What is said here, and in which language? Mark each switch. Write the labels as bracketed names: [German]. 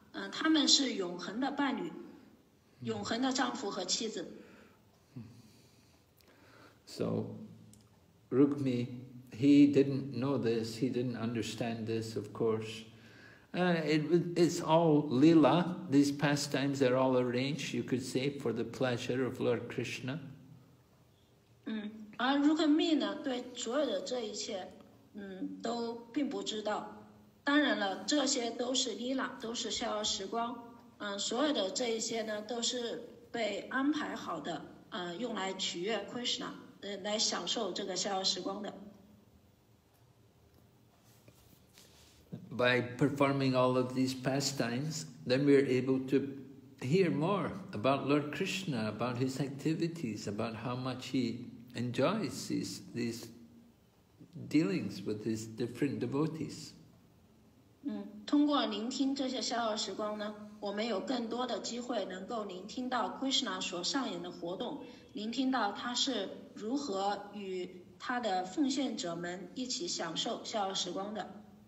[Chinese] 他们是永恒的伴侣，永恒的丈夫和妻子。 [English] So, Rukmi. He didn't know this, he didn't understand this, of course. It's all Leela, these pastimes are all arranged, you could say, for the pleasure of Lord Krishna. [Chinese] Rukmini 呢对所有的这一切都并不知道。当然了，这些都是 Leela, 都是逍遥时光。所有的这一些呢都是被安排好的，用来取悦 Krishna, 来享受这个逍遥时光的。 [English] By performing all of these pastimes, then we are able to hear more about Lord Krishna, about his activities, about how much he enjoys these dealings with his different devotees. [Chinese] 通过聆听这些逍遥时光呢，我们有更多的机会能够聆听到 Krishna 所上演的活动，聆听到他是如何与他的奉献者们一起享受逍遥时光的。